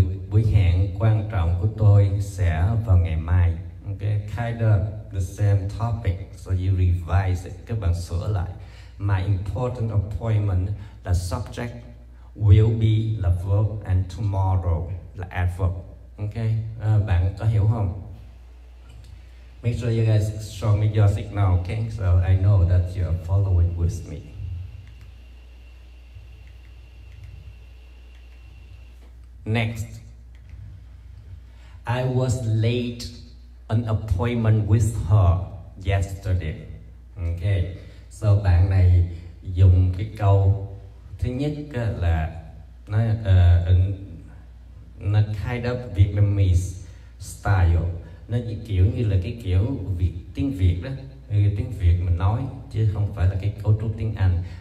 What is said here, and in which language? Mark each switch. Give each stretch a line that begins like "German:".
Vietnamese: Buổi hẹn quan trọng của tôi sẽ vào ngày mai.
English: Okay. Kind of the same topic, so you revise it.
Vietnamese: Các bạn sửa lại.
English: My important appointment, the subject, will be the verb, and tomorrow the adverb. Okay.
Vietnamese: Bạn có hiểu không?
English: Make sure you guys show me your signal, okay? So I know that you're following with me. Next. I was late an appointment with her yesterday. Okay.
Vietnamese: So bạn này dùng cái câu thứ nhất là nó
English: kind of Vietnamese style.
Vietnamese: Nó kiểu như là cái kiểu tiếng Việt đó, cái tiếng Việt mình nói chứ không phải là cái cấu trúc tiếng Anh.